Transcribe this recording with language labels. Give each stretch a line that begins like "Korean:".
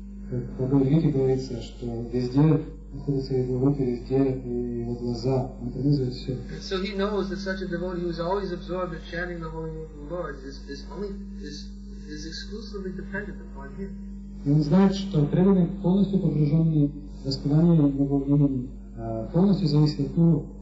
Russian: Как в Бхагавад-гите говорится, что везде находятся его руки, везде его глаза, он пронизывает все.
English: So he knows that such a devotee who is always absorbed in chanting the holy name of the Lord is exclusively dependent upon him.
Russian: И он знает, что преданный, полностью погруженный в воспевание его имени, полностью зависит от него.